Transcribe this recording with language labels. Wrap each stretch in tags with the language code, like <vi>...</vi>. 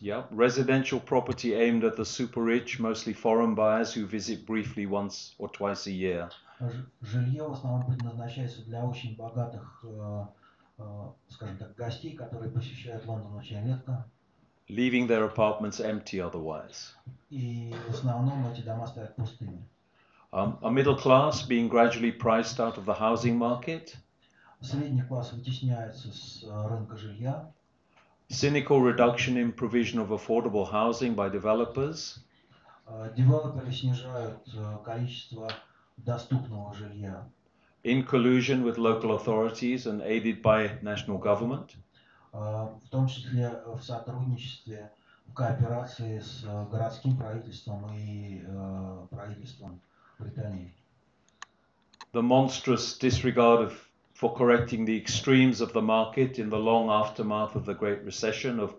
<en>Residential property aimed at the super rich, mostly foreign buyers who visit briefly once or twice a year.</en> <ru>Жилье в основном предназначается для очень богатых, скажем так, гостей, которые посещают Лондон очень редко.</ru> <en>Leaving their apartments empty otherwise.</en> <ru>И в основном эти дома стоят пустыми.</ru> <en>A middle class being gradually priced out of the housing market.</en> <ru>Средний класс вытесняется с рынка жилья.</ru> <en>Cynical reduction in provision of affordable housing by developers.</en> <ru>Девелоперы снижают количество доступного жилья.</ru> <en>In collusion with local authorities and aided by national government.</en> <ru>В том числе в сотрудничестве, в кооперации с городским правительством и правительством Британии.</ru> <en>The monstrous disregard of for correcting the extremes of the market in the long aftermath of the Great Recession of</en>